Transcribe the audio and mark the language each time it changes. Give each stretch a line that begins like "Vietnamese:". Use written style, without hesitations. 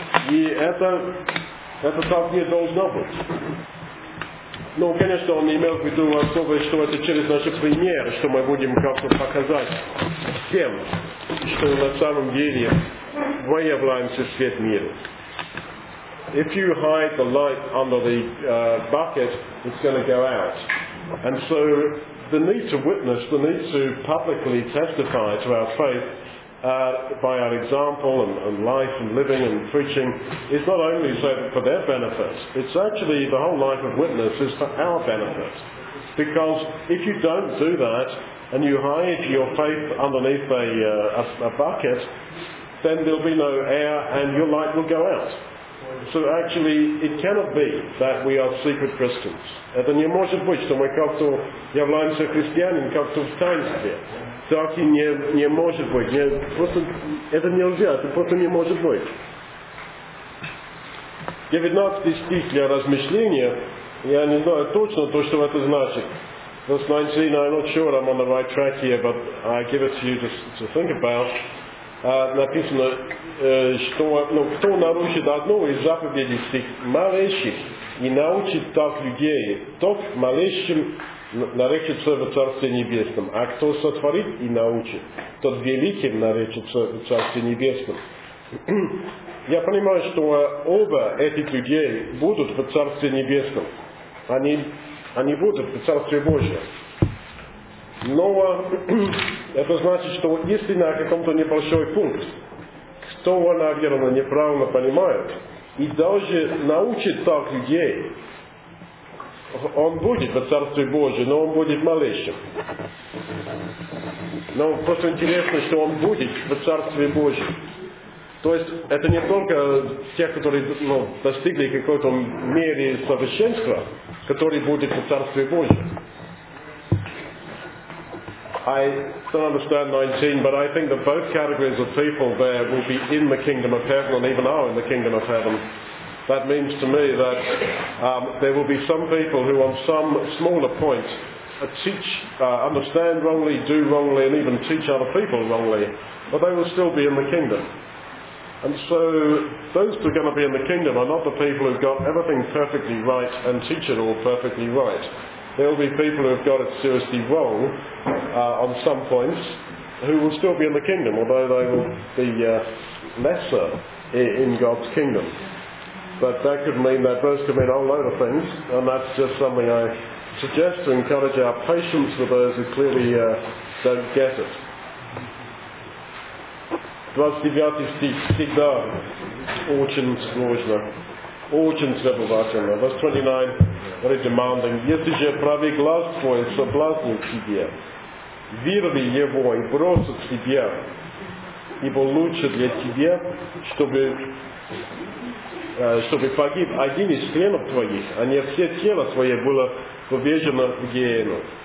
Russian: И это так не должно быть. Ну, конечно, он имел в виду особо, что это через наш пример, что мы будем как-то показать всем, что на самом деле мы являемся свет мира.
English: If you hide the light under the bucket, it's going to go out. And so the need to witness, the need to publicly testify to our faith by our example and life and living and preaching is not only for their benefit, it's actually the whole life of witness is for our benefit. Because if you don't do that and you hide your faith underneath a bucket, then there'll be no air and your light will go out. So actually it cannot be that we are secret Christians.
Russian: Это не может быть, что мы как-то являемся христианами, как-то в таинстве. Так и не может быть. Это нельзя, это просто не может быть. 19 стих для размышления. Я не знаю точно то, что это значит.
English: Verse 19, I'm not sure I'm on the right track here, but I give it to you to think about.
Russian: написано, что, ну, кто нарушит одну из заповедей всех малейших и научит так людей, тот малейшим наречется в Царстве Небесном, а кто сотворит и научит, тот великим наречется в Царстве Небесном. Я понимаю, что оба этих людей будут в Царстве Небесном. Они будут в Царстве Божьем. Но это значит, что если на каком-то небольшой пункт, кто, наверное, неправильно понимает, и даже научит так людей, он будет в Царстве Божьем, но он будет малейшим. Но просто интересно, что он будет в Царстве Божьем. То есть это не только те, которые, ну, достигли какой-то меры совершенства, которые будут в Царстве Божьем.
English: I don't understand 19, but I think that both categories of people there will be in the kingdom of heaven and even are in the kingdom of heaven. That means to me that there will be some people who on some smaller point teach, understand wrongly, do wrongly, and even teach other people wrongly, but they will still be in the kingdom. And so those who are going to be in the kingdom are not the people who've got everything perfectly right and teach it all perfectly right. There will be people who have got it seriously wrong on some points who will still be in the kingdom, although they will be lesser in God's kingdom. But that could mean, that verse could mean a whole load of things, and that's just something I suggest to encourage our patience for those who clearly don't get it.
Russian: 29 стих всегда очень сложно. Очень требовательно.
English: Verse 29, very demanding.
Russian: Если же правый глаз твой соблазнит тебя, вырви его и брось от себя, ибо лучше для тебя, чтобы погиб один из членов твоих, а не все тело твое было повержено в гиену.